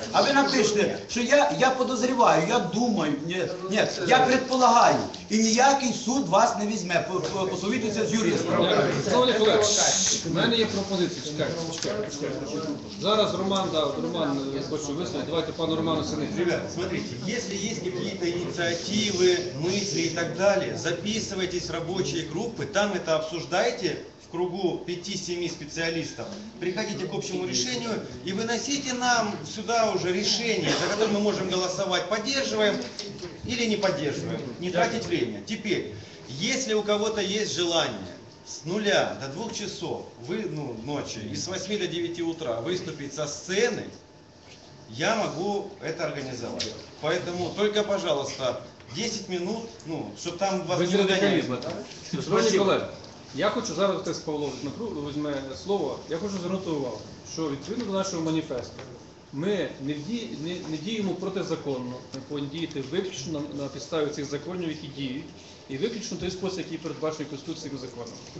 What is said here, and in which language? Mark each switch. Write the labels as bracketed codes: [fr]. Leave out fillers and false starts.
[uk] А ви напишете, що я подозріваю, я думаю, ні, я предполагаю. І ніякий суд вас не візьме. Посовітуйтеся з юристом. Шановні колеги, у мене є пропозиція. Чекайте. Зараз Роман, да, Роман хоче висловити. Давайте пану Роману Синицькому. [ru] Ребята, смотрите, если есть какие-то инициативы, мысли и так далее, записывайтесь в рабочие группы, там это обсуждайте. В кругу 5-7 специалистов, приходите к общему решению и выносите нам сюда уже решение, за которое мы можем голосовать, поддерживаем или не поддерживаем, не тратить время. Теперь, если у кого-то есть желание с нуля до 2 часов, ночи, и с 8 до 9 утра выступить со сцены, я могу это организовать. Поэтому только, пожалуйста, 10 минут, ну, чтобы там вас не догоняют. Спасибо. [uk] Я хочу зараз те з Павлом візьме слово. Я хочу звернути увагу, що відповідно до нашого маніфесту ми не діємо протизаконно, ми повинні діяти виключно на підставі цих законів, які діють, і виключно той спосіб, який передбачений конституційним законом.